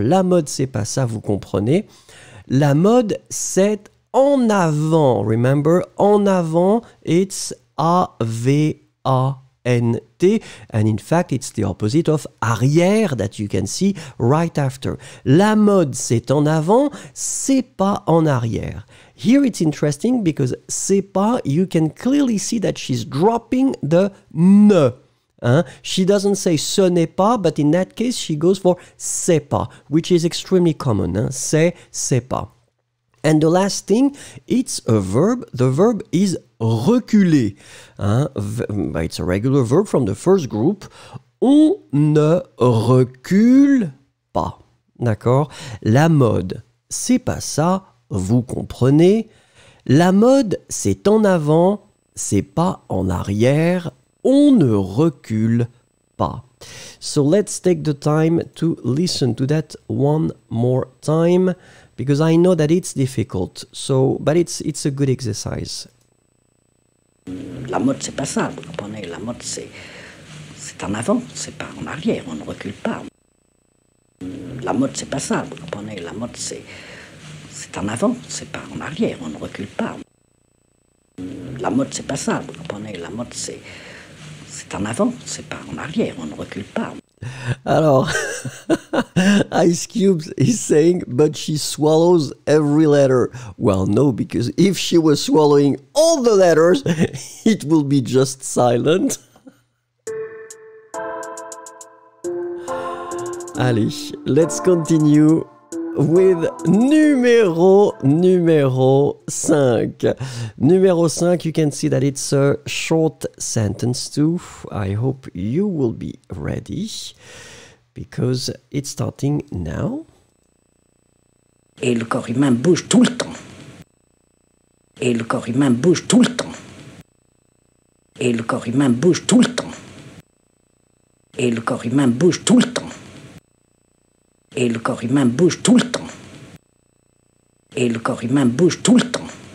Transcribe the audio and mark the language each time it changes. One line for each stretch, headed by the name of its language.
French: La mode, c'est pas ça. Vous comprenez. La mode, c'est en avant.
English: Remember,
French: en avant,
English: it's A-V-A. N-T, and in fact, it's the opposite of arrière that you can see right after.
French: La mode, c'est en avant, c'est pas en arrière.
English: Here it's interesting because
French: c'est pas,
English: you can clearly see that she's dropping the N. She doesn't say
French: ce n'est pas,
English: but in that case, she goes for
French: c'est pas,
English: which is extremely common.
French: C'est pas.
English: And the last thing, it's a verb. The verb is reculer. It's a regular verb from the first group.
French: On ne recule pas. D'accord? La mode, c'est pas ça. Vous comprenez? La mode, c'est en avant. C'est pas en arrière. On ne recule pas.
English: So let's take the time to listen to that one more time. Because I know that it's difficult, but it's a good exercise.
French: La mode, c'est pas ça, vous comprenez. La mode, c'est en avant, c'est pas en arrière, on ne recule pas. La mode, c'est pas ça, vous comprenez. La mode, c'est en avant, c'est pas en arrière, on ne recule pas. La mode, c'est pas ça, vous comprenez. La mode, c'est en avant, c'est pas en arrière, on ne recule pas.
English: Alors, Ice Cube is saying, but she swallows every letter. Well, no, because if she was swallowing all the letters, it will be just silent. Allez, let's continue with numéro 5. Numéro 5, you can see that it's a short sentence too. I hope you will be ready because it's starting now.
French: Et le corps humain bouge tout le temps. Et le corps humain bouge tout le temps. Et le corps humain bouge tout le temps. Et le corps humain bouge tout le temps. Et le corps humain bouge tout le temps. Et le corps humain bouge tout le temps.